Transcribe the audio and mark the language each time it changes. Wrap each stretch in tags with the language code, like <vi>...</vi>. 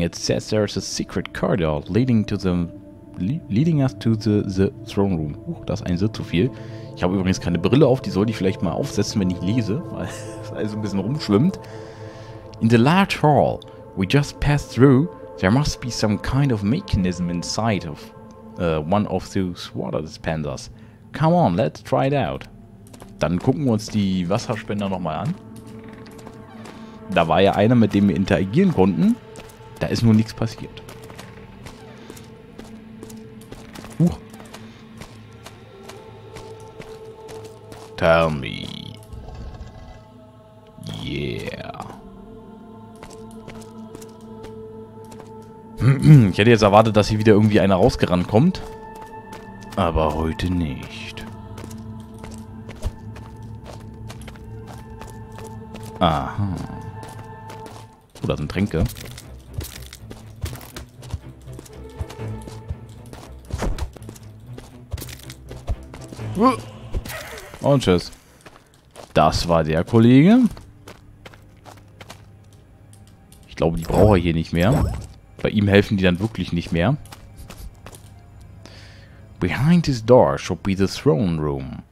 <en>It says there's a secret corridor leading to the... Leading us to the throne room.</en> <de>Das ist ein Sitz zu viel. Ich habe übrigens keine Brille auf. Die sollte ich vielleicht mal aufsetzen, wenn ich lese. Weil es also ein bisschen rumschwimmt.</de> <en>In the large hall we just passed through, there must be some kind of mechanism inside of one of those water dispensers. Come on, let's try it out.</en> <de>Dann gucken wir uns die Wasserspender nochmal an. Da war ja einer, mit dem wir interagieren konnten. Da ist nur nichts passiert. Huch.</de> <en>Tell me. Yeah.</en> <de>Ich hätte jetzt erwartet, dass hier wieder irgendwie einer rausgerannt kommt. Aber heute nicht. Aha. Oh, da sind Tränke. Und tschüss. Das war der Kollege. Ich glaube, die brauche ich hier nicht mehr. Bei ihm helfen die dann wirklich nicht mehr.</de> <en>Behind this door should be the throne room.</en>